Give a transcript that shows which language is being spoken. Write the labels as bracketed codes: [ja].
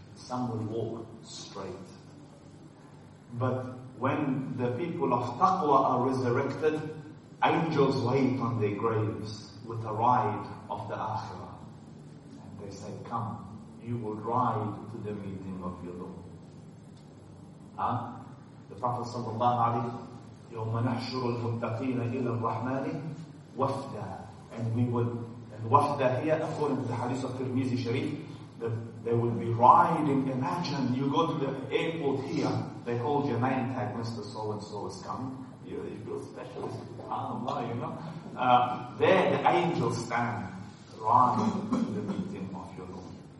[en] Some will walk straight. But when the people of taqwa are resurrected, angels wait on their graves with a ride of the akhirah. And they say, come, you will ride to the meeting of your Lord. The Prophet sallallahu alayhi, [ar] يَوْمَ نَحْشُرُ الْمُتَّقِينَ إِلَى الرَّحْمَنِ وَفْدًا. [en] And we would, and wafda here, according to the hadith of Tirmizi Sharif, that they will be riding. Imagine you go to the airport here, they hold your name tag, Mr. So and so is coming. You feel special, subhanAllah, you know. There the angels stand riding in the meeting of your Lord.